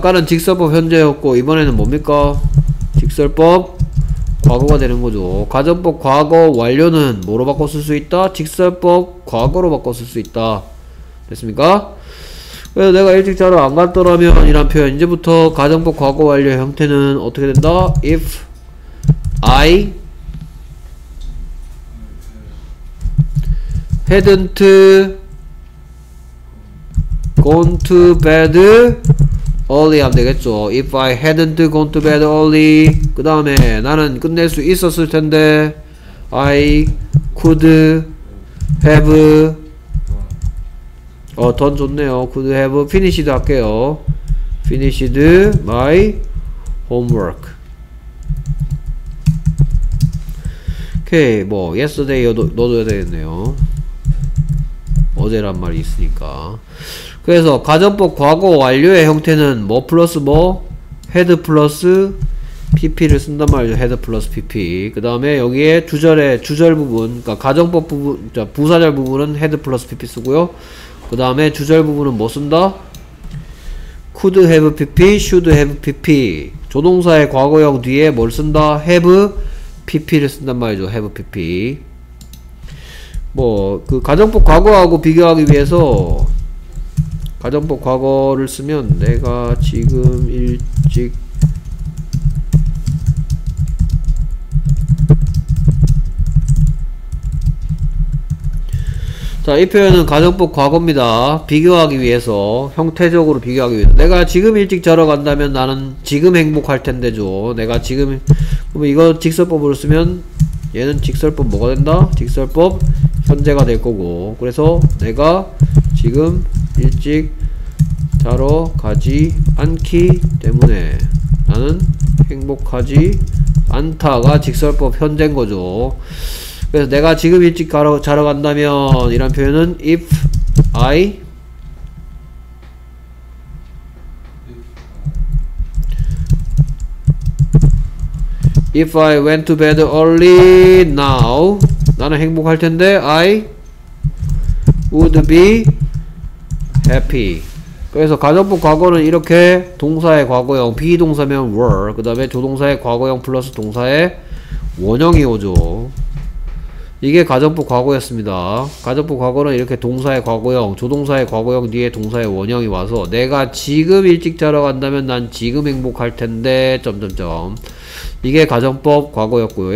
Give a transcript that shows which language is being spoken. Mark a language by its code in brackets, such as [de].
[ko] 아까는 직설법 현재였고 이번에는 뭡니까? 직설법 과거가 되는 거죠. 가정법 과거 완료는 뭐로 바꿔 쓸 수 있다? 직설법 과거로 바꿔 쓸 수 있다. 됐습니까? 그래서 내가 일찍 자러 안 갔더라면 이란 표현 이제부터 가정법 과거 완료 형태는 어떻게 된다? [en] If I hadn't gone to bed early 하면 되겠죠. If I hadn't gone to bed early [ko] 그 다음에 나는 끝낼 수 있었을 텐데 [en] I could have [ko] 던 좋네요. [en] could have finished [ko] 할게요. [en] finished my homework. [ko] okay 뭐 yesterday 넣어줘야 되겠네요. 어제란 말이 있으니까. 그래서 가정법 과거 완료의 형태는 뭐 플러스 뭐? head 플러스 pp를 쓴단 말이죠. [en] head 플러스 pp. [ko] 그 다음에 여기에 주절의 주절 부분 그러니까 가정법 부분 부사절 부분은 head 플러스 pp 쓰고요. 그 다음에 주절 부분은 뭐 쓴다? [en] could have pp, should have pp. [ko] 조동사의 과거형 뒤에 뭘 쓴다? have pp를 쓴단 말이죠. [en] have pp. [ko] 뭐 그 가정법 과거하고 비교하기 위해서 가정법 과거를 쓰면 내가 지금 일찍 자 이 표현은 가정법 과거입니다. 비교하기 위해서 형태적으로 비교하기 위해서 내가 지금 일찍 자러 간다면 나는 지금 행복할 텐데죠. 내가 지금 그럼 이거 직설법으로 쓰면 얘는 직설법 뭐가 된다? 직설법 현재가 될 거고 그래서 내가 지금 일찍 자러 가지 않기 때문에 나는 행복하지 않다가 직설법 현재인거죠. 그래서 내가 지금 일찍 자러 간다면 이란 표현은 [en] if I if I went to bed early now [ko] 나는 행복할텐데 [en] I would be happy. [ko] 그래서 가정법 과거는 이렇게 동사의 과거형 비동사면 were 그 다음에 조동사의 과거형 플러스 동사의 원형이 오죠. 이게 가정법 과거였습니다. 가정법 과거는 이렇게 동사의 과거형 조동사의 과거형 뒤에 동사의 원형이 와서 내가 지금 일찍 자러 간다면 난 지금 행복할 텐데 점점점 이게 가정법 과거였고요.